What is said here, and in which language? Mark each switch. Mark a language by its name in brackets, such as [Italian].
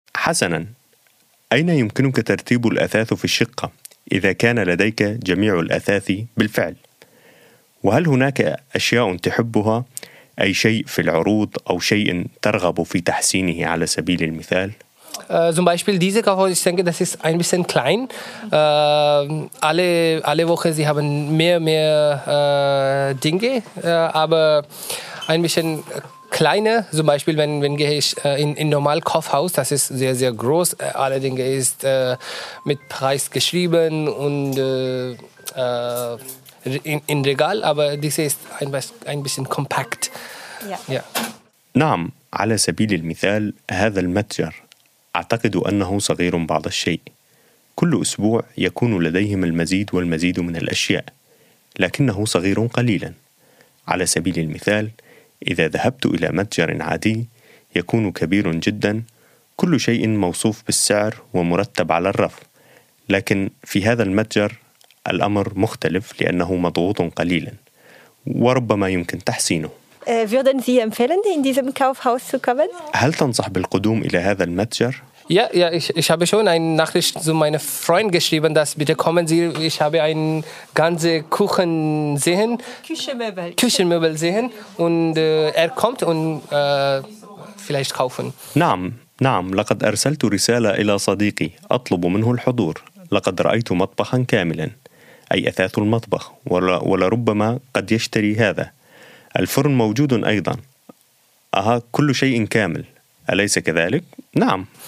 [Arabic] حسنا. أين يمكنك ترتيب الأثاث في الشقة إذا كان لديك جميع الأثاث بالفعل؟ وهل هناك أشياء تحبها؟ أي شيء في العروض أو شيء ترغب في تحسينه على سبيل المثال؟ [German] Zum Beispiel diese Kaufhaus, ich denke, das ist ein bisschen klein. Alle Woche sie haben mehr Dinge, aber ein bisschen kleiner. Zum Beispiel wenn gehe ich in normal Kaufhaus, das ist sehr sehr groß. Alle Dinge ist mit Preis geschrieben und in Regal, aber diese ist ein bisschen kompakt. Ja. [Arabic] نعم، على سبيل المثال هذا المتجر أعتقد أنه صغير بعض الشيء. كل أسبوع يكون لديهم المزيد والمزيد من الأشياء، لكنه صغير قليلا. على سبيل المثال إذا ذهبت إلى متجر عادي يكون كبير جدا، كل شيء موصوف بالسعر ومرتب على الرف، لكن في هذا المتجر الأمر مختلف لأنه مضغوط قليلا وربما يمكن تحسينه. [German] Würden Sie empfehlen, in diesem Kaufhaus zu kommen? [Arabic] هل تنصح بالقدوم إلى هذا المتجر؟ [German] Ja, ja, ich habe schon eine Nachricht zu meinem Freund geschrieben, dass bitte kommen Sie, ich habe ein ganze Kuchen sehen. Küchenmöbel sehen und er kommt und vielleicht kaufen. [Arabic] نعم، لقد أرسلت رسالة إلى صديقي أطلب منه الحضور. لقد رأيت مطبخا كاملا، أي أثاث المطبخ، ولربما قد يشتري هذا. الفرن موجود أيضا. كل شيء كامل، أليس كذلك؟ نعم.